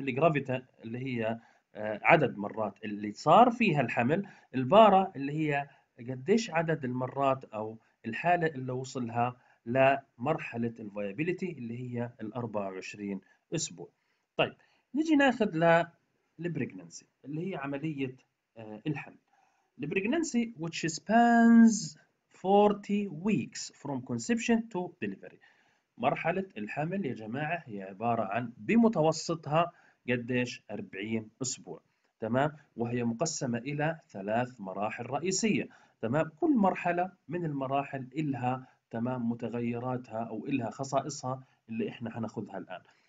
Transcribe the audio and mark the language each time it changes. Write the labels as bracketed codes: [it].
[ar] الجرافيتا اللي هي عدد مرات اللي صار فيها الحمل، البارا اللي هي قديش عدد المرات أو الحالة اللي وصلها لمرحلة الفايابيليتي اللي هي ال 24 أسبوع. طيب نيجي ناخذ للبريجننسي اللي هي عملية الحمل. [en] البريجننسي which spans 40 weeks from conception to delivery. [ar] مرحلة الحمل يا جماعة هي عبارة عن بمتوسطها قديش؟ 40 أسبوع، تمام؟ وهي مقسمة إلى ثلاث مراحل رئيسية، تمام؟ كل مرحلة من المراحل إلها، تمام، متغيراتها أو إلها خصائصها اللي إحنا هناخذها الآن.